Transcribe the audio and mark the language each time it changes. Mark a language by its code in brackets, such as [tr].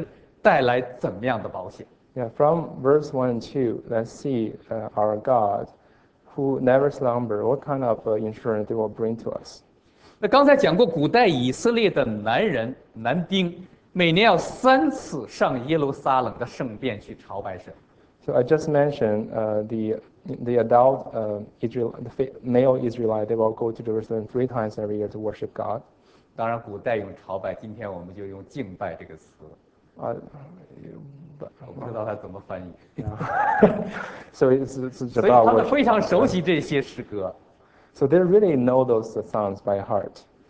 [zh] 那让我们从第1到4节来思想这位不打盹的神，看看他能够为我们属神之人带来怎么样的保险。 [en] Yeah, from verse 1 and 2, let's see our God, who never slumber. What kind of insurance they will bring to us? [zh] 那刚才讲过，古代以色列的男人男丁每年要3次上耶路撒冷的圣殿去朝拜神。 [en] So I just mentioned the adult male Israelite, they will go to Jerusalem three times every year to worship God. [zh] 当然，古代用朝拜，今天我们就用敬拜这个词。我不知道它怎么翻译。 [en] So it's about worship. [zh] 所以他们非常熟悉这些诗歌。 [en] So they really know those songs by heart.